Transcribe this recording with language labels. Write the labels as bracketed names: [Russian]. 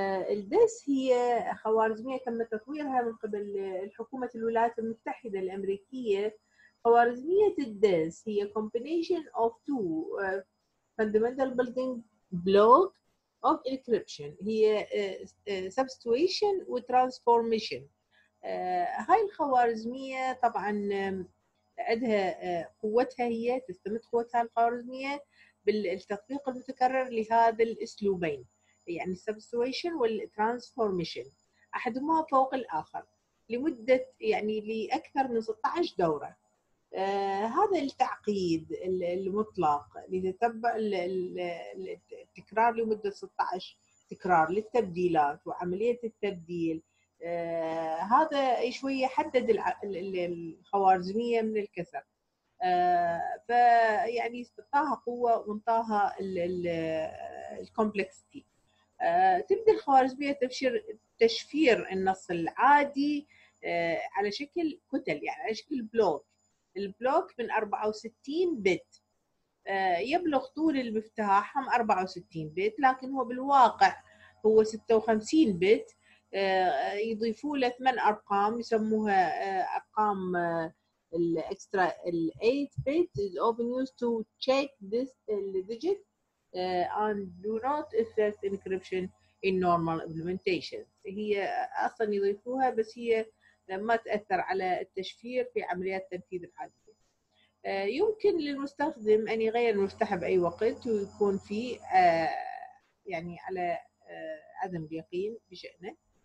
[Arabic] الدس هي خوارزمية تم تطويرها من قبل حكومة الولايات المتحدة الأمريكية. خوارزمية الدس هي [English] combination of two fundamental building block of encryption، [Arabic] هي [English] substitution و transformation. [Arabic] هاي الخوارزمية طبعاً عندها قوتها، هي تستمد قوتها الخوارزمية بالتطبيق المتكرر لهذا الأسلوبين، يعني substitution والترانسفورميشن، أحدهما فوق الآخر لمدة يعني لأكثر من 16 دورة. هذا التعقيد المطلق لتتبع التكرار لمدة 16 تكرار للتبديلات وعملية التبديل، هذا شوية حدد الخوارزمية من الكسر. فيعني انطاها قوة وانطاها الكومبلكسيتي. تبدأ الخوارزمية تشفير النص العادي على شكل كتل، يعني على شكل بلوك. البلوك من 64 بت، يبلغ طول المفتاح هم 64 بت، لكن هو بالواقع هو 56 بت. يضيفوا له 8 أرقام يسموها أرقام الإكسترا، الـ 8 [English] bit is often used to check this digit and do not affect encryption in normal implementations. [Arabic] هي أصلا يضيفوها بس هي ما تأثر على التشفير في عمليات التنفيذ العادية. يمكن للمستخدم أن يغير المفتاح بأي وقت ويكون فيه يعني على عدم اليقين بشأنه.